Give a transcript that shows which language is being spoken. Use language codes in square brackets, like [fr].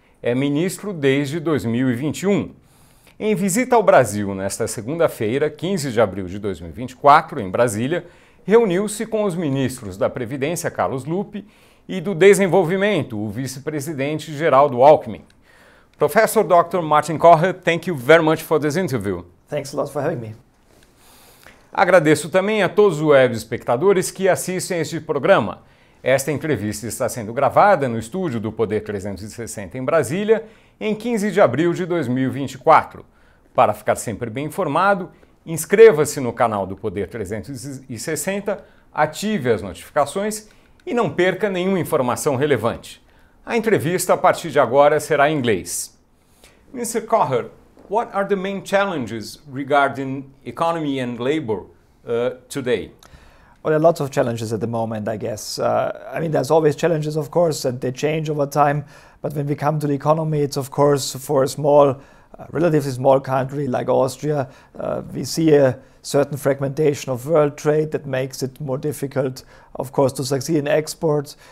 [pt] É ministro desde 2021. Em visita ao Brasil nesta segunda-feira, 15 de abril de 2024, em Brasília, reuniu-se com os ministros da Previdência, Carlos Lupi, e do Desenvolvimento, o vice-presidente Geraldo Alckmin. Professor Dr. [en] Martin Kocher, thank you very much for this interview. Thanks a lot for having me. [pt] Agradeço também a todos os web espectadores que assistem a este programa. Esta entrevista está sendo gravada no estúdio do Poder 360 em Brasília, em 15 de abril de 2024. Para ficar sempre bem informado, inscreva-se no canal do Poder 360, ative as notificações e não perca nenhuma informação relevante. A entrevista, a partir de agora, será em inglês. [en] Mr. Kocher, what are the main challenges regarding economy and labor today? Well, there are lots of challenges at the moment, I guess. I mean, there's always challenges, of course, and they change over time. But when we come to the economy, it's, of course, for a small, relatively small country like Austria, we see a certain fragmentation of world trade that makes it more difficult, of course, to succeed in exports.